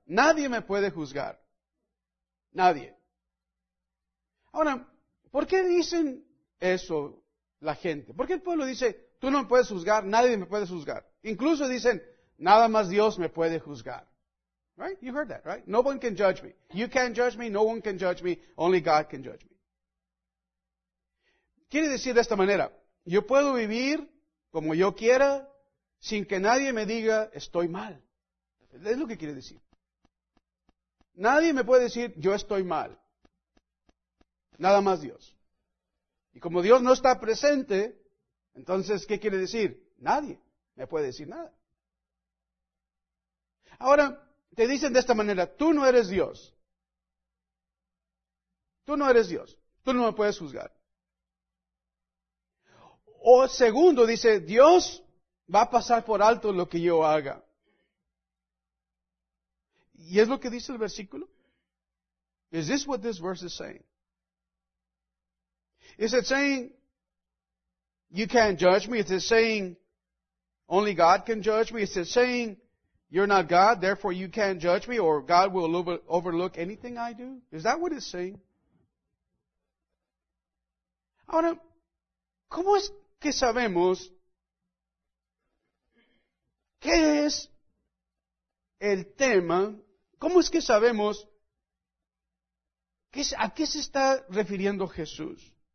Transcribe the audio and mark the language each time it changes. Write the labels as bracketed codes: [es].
[es] Nadie me puede juzgar. Nadie. Ahora, ¿por qué dicen eso la gente? ¿Por qué el pueblo dice, tú no me puedes juzgar, nadie me puede juzgar? Incluso dicen, nada más Dios me puede juzgar. [en] Right? You heard that, right? No one can judge me. You can't judge me, no one can judge me, only God can judge me. [es] Quiere decir de esta manera, yo puedo vivir como yo quiera sin que nadie me diga estoy mal. Es lo que quiere decir. Nadie me puede decir yo estoy mal. Nada más Dios. Y como Dios no está presente, entonces, ¿qué quiere decir? Nadie me puede decir nada. Ahora, te dicen de esta manera, tú no eres Dios. Tú no eres Dios. Tú no me puedes juzgar. O segundo, dice, Dios va a pasar por alto lo que yo haga. ¿Y es lo que dice el versículo? [en] Is this what this verse is saying? Is it saying you can't judge me? Is it saying only God can judge me? Is it saying you're not God, therefore you can't judge me, or God will overlook anything I do? Is that what it's saying? [es] Ahora, ¿cómo es que sabemos qué es el tema? ¿Cómo es que sabemos a qué se está refiriendo Jesús?